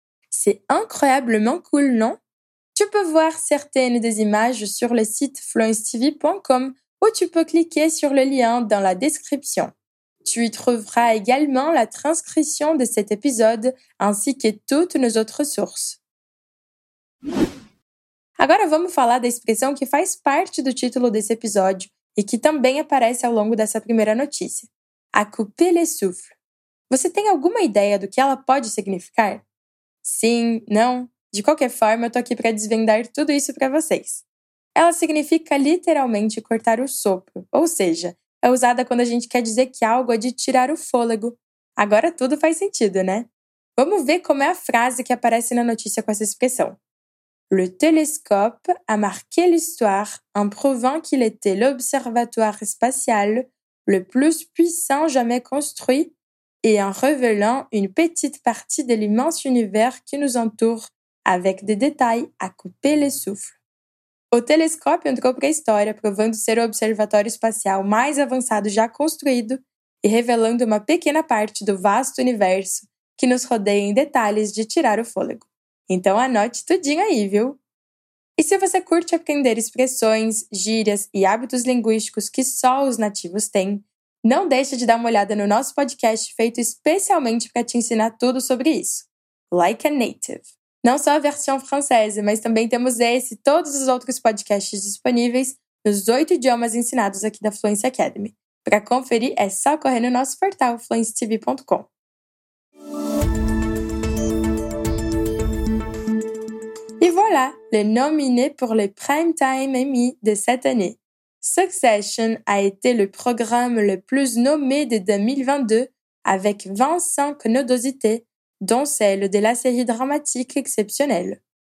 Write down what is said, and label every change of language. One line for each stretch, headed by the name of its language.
French: C'est incroyablement cool, non? Tu peux voir certaines des images sur le site fluencetv.com ou tu peux cliquer sur le lien dans la description. Tu y trouveras également la transcription de cet épisode ainsi que toutes nos autres sources.
Portuguese: Agora vamos falar da expressão que faz parte do título desse episódio e que também aparece ao longo dessa primeira notícia.
French: A couper le souffle.
Portuguese: Você tem alguma ideia do que ela pode significar? Sim, não? De qualquer forma, eu tô aqui para desvendar tudo isso para vocês. Ela significa literalmente cortar o sopro, ou seja, é usada quando a gente quer dizer que algo é de tirar o fôlego. Agora tudo faz sentido, né? Vamos ver como é a frase que aparece na notícia com essa expressão.
French: Le télescope a marqué l'histoire en prouvant qu'il était l'observatoire spatial le plus puissant jamais construit et en révélant une petite partie de l'immense univers qui nous entoure avec des détails à couper le souffle.
Portuguese: O telescópio entrou para a história provando ser o observatório espacial mais avançado já construído e revelando uma pequena parte do vasto universo que nos rodeia em detalhes de tirar o fôlego. Então anote tudinho aí, viu? E se você curte aprender expressões, gírias e hábitos linguísticos que só os nativos têm, não deixe de dar uma olhada no nosso podcast feito especialmente para te ensinar tudo sobre isso. Like a Native. Não só a versão francesa, mas também temos esse e todos os outros podcasts disponíveis nos 8 idiomas ensinados aqui da Fluence Academy. Para conferir, é só correr no nosso portal fluencetv.com.
French: E voilà, le nominé pour le Primetime Emmy de cette année. Succession a été le programme le plus nommé de 2022 avec 25 nodosités, dont celle de la série dramatique exceptionnelle.